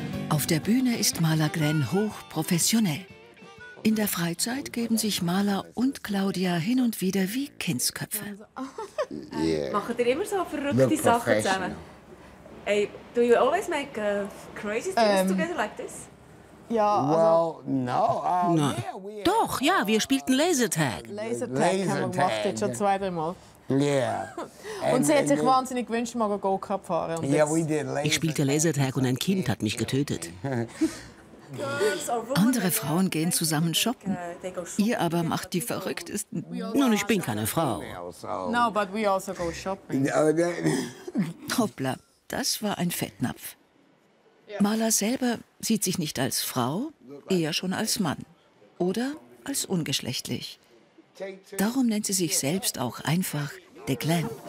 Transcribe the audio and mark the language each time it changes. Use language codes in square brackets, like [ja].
[de] Auf der Bühne ist Marla Glenn hochprofessionell. In der Freizeit geben sich Marla und Claudia hin und wieder wie Kindsköpfe. Machen ihr immer so verrückte Sachen zusammen? [en] Hey, do you always make crazy things together like this? [de] Ja, also [en] well, no. [de] Nein. Doch, ja, wir spielten Lasertag. Lasertag haben wir schon zwei, drei Mal. [en] Yeah. [de] Und sie hat sich wahnsinnig gewünscht, mal einen Go-Kart fahren. Ich spielte Lasertag und ein Kind hat mich getötet. Andere Frauen gehen zusammen shoppen. Ihr aber macht die verrücktesten. Nun, ich bin keine Frau. [en] No, but we also go shopping. [de] Hoppla, das war ein Fettnapf. Marla selber sieht sich nicht als Frau, eher schon als Mann. Oder als ungeschlechtlich. Darum nennt sie sich selbst auch einfach The Glenn.